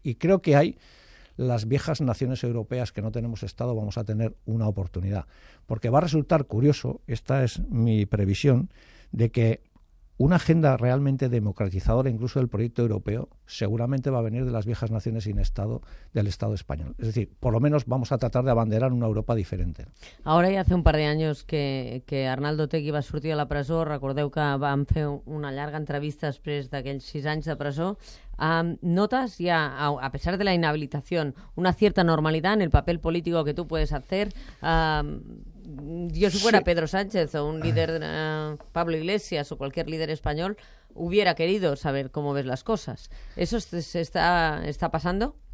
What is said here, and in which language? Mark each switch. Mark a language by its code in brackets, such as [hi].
[es] Y creo que hay las viejas naciones europeas que no tenemos Estado, vamos a tener una oportunidad. Porque va a resultar curioso, esta es mi previsión, de que una agenda realmente democratizadora, incluso del proyecto europeo, seguramente va a venir de las viejas naciones sin Estado, del Estado español. Es decir, por lo menos vamos a tratar de abanderar una Europa diferente. Ahora ya hace un par de años que Arnaldo Otegi [ca] va sortir a la presó. Recordeu que vam fer una llarga entrevista després d'aquells 6 anys de presó. [es] ¿Notas ya, a pesar de la inhabilitación, una cierta normalidad en el papel político que tú puedes hacer? Yo si fuera Pedro Sánchez o un líder, Pablo Iglesias o cualquier líder español, hubiera querido saber cómo ves las cosas. ¿Eso está pasando?